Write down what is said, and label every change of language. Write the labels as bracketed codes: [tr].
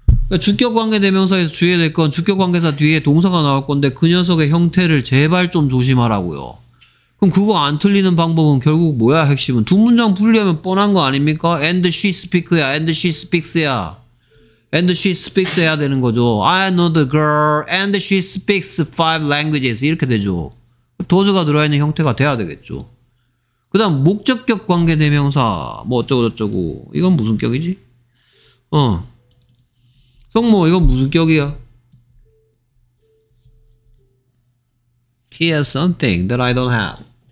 [ko] 주격 관계 대명사에서 주의해야 될 건 주격 관계사 뒤에 동사가 나올 건데 그 녀석의 형태를 제발 좀 조심하라고요. 그럼 그거 안 틀리는 방법은 결국 뭐야? 핵심은 두 문장 분리하면 뻔한 거 아닙니까? [en] And she speaks야. And she speaks야. And she speaks [ko] 해야 되는 거죠. [en] I know the girl and she speaks five languages [ko] 이렇게 되죠. does가 들어있는 형태가 돼야 되겠죠. 그 다음 목적격 관계대명사 뭐 어쩌고 저쩌고 이건 무슨 격이지? 어 성모 이건 무슨 격이야? [en] He has something that I don't have.